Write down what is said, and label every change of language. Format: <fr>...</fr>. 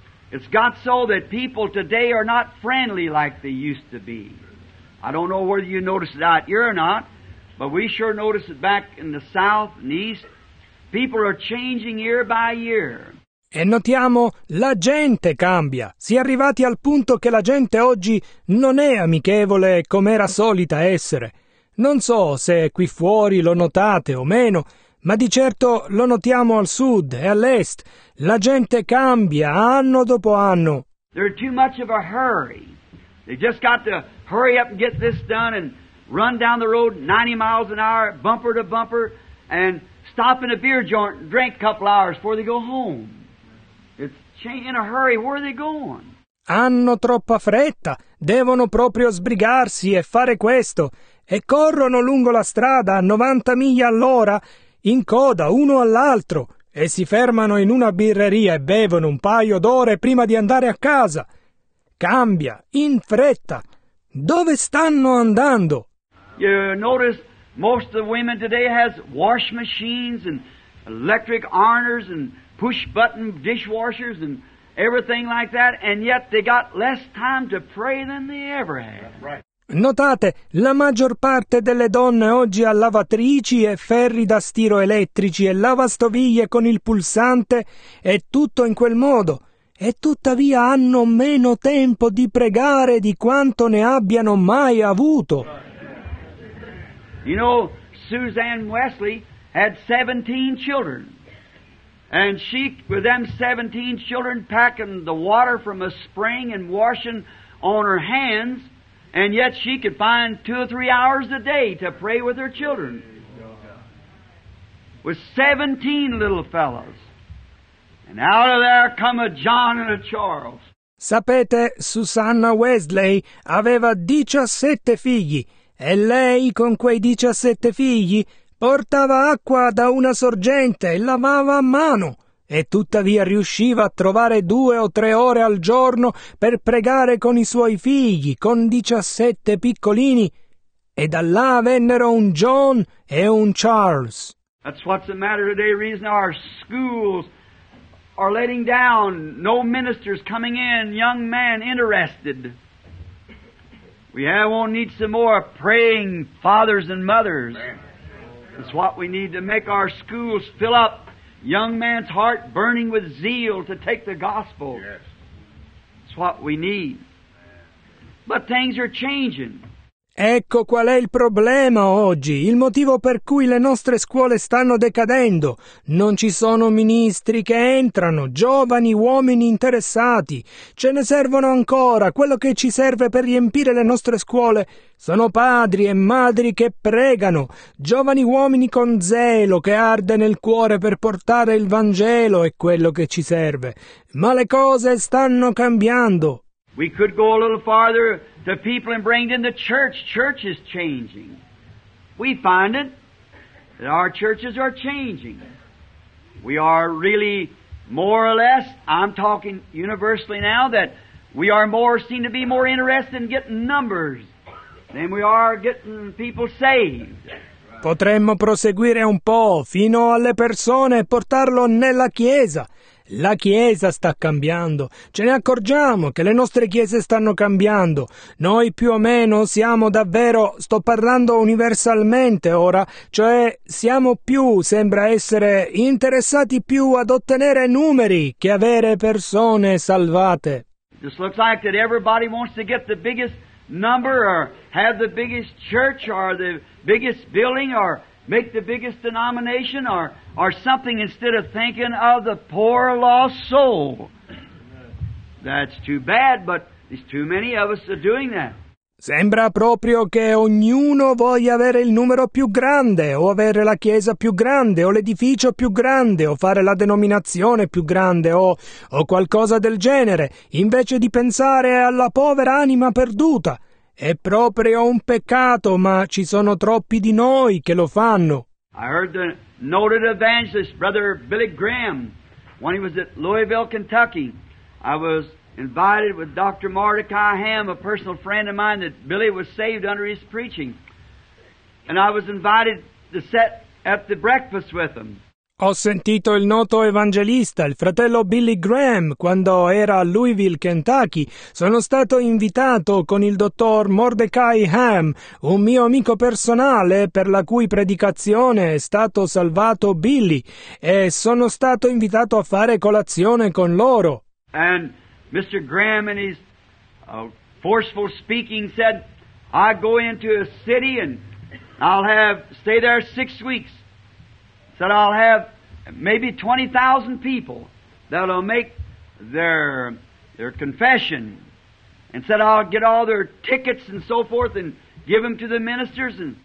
<en>It's got so that people today are not friendly like they used to be. I don't know whether you notice it out here or not, but we sure notice it back in the south and east. People are changing year by year.</en> <it>E notiamo, la gente cambia. Si è arrivati al punto che la gente oggi non è amichevole come era solita essere. Non so se qui fuori lo notate o meno, ma di certo lo notiamo al sud e all'est. La gente cambia anno dopo anno.</it> <en>They're too much of a hurry. They just got to hurry up and get this done and run down the road 90 miles an hour, bumper to bumper, and stop in a beer joint and drink a couple hours before they go home. In a hurry, where are they going?</en> <it>Hanno troppa fretta, devono proprio sbrigarsi e fare questo, e corrono lungo la strada a 90 miglia all'ora, in coda uno all'altro, e si fermano in una birreria e bevono un paio d'ore prima di andare a casa. Cambia, in fretta. Dove stanno andando?</it> <en>You notice most of the women today has wash machines and electric ironers and push button dishwashers and everything like that, and yet they got less time to pray than they ever had. Right.</en> <it>Notate, la maggior parte delle donne oggi ha lavatrici e ferri da stiro elettrici e lavastoviglie con il pulsante e tutto in quel modo, e tuttavia hanno meno tempo di pregare di quanto ne abbiano mai avuto.</it> <en>You know, Suzanne Wesley had 17 children. And she, with them 17 children, packing the water from a spring and washing on her hands, and yet she could find 2 or 3 hours a day to pray with her children. With 17 little fellows. And out of there come a John and a Charles.</en> <it>Sapete, Susanna Wesley aveva 17 figli, e lei con quei 17 figli portava acqua da una sorgente e lavava a mano, e tuttavia riusciva a trovare 2 o 3 ore al giorno per pregare con i suoi figli, con 17 piccolini, e da là vennero un John e un Charles.</it> <en>That's what's the matter today, reason our schools are letting down, no ministers coming in, young men interested. We won't need some more praying fathers and mothers. It's what we need to make our schools fill up, young man's heart burning with zeal to take the gospel. Yes. It's what we need. But things are changing.</en> <it>Ecco qual è il problema oggi, il motivo per cui le nostre scuole stanno decadendo. Non ci sono ministri che entrano, giovani uomini interessati. Ce ne servono ancora, quello che ci serve per riempire le nostre scuole sono padri e madri che pregano, giovani uomini con zelo che arde nel cuore per portare il Vangelo, è quello che ci serve. Ma le cose stanno cambiando.</it> <en>We could go a little farther. The people and bring in the church. Church is changing. We find it that our churches are changing. We are really more or less, I'm talking universally now, that we are more, seem to be more interested in getting numbers than we are getting people saved.</en> <it>Potremmo proseguire un po' fino alle persone e portarlo nella chiesa. La Chiesa sta cambiando. Ce ne accorgiamo che le nostre chiese stanno cambiando. Noi più o meno siamo davvero, sto parlando universalmente ora, cioè siamo più, sembra essere, interessati più ad ottenere numeri che avere persone salvate.</it> <en>This looks like that everybody wants to get the biggest number or have the biggest church or the biggest building or make the biggest denomination or something instead of thinking of the poor lost soul. That's too bad, but there's too many of us are doing that.</en> <it>Sembra proprio che ognuno voglia avere il numero più grande, o avere la chiesa più grande, o l'edificio più grande, o fare la denominazione più grande, o qualcosa del genere, invece di pensare alla povera anima perduta. È proprio un peccato, ma ci sono troppi di noi che lo fanno.</it> <en>I heard the noted evangelist, Brother Billy Graham, when he was at Louisville, Kentucky. I was invited with Dr. Mordecai Ham, a personal friend of mine, that Billy was saved under his preaching. And I was invited to sit at the breakfast with him.</en> <it>Ho sentito il noto evangelista, il fratello Billy Graham, quando era a Louisville, Kentucky. Sono stato invitato con il dottor Mordecai Ham, un mio amico personale per la cui predicazione è stato salvato Billy, e sono stato invitato a fare colazione con loro.</it> <en>And Mr. Graham in his forceful speaking said, I go into a city and I'll have stay there 6 weeks. That I'll have maybe 20,000 people that'll make their confession, and said I'll get all their tickets and so forth and give them to the ministers.</en>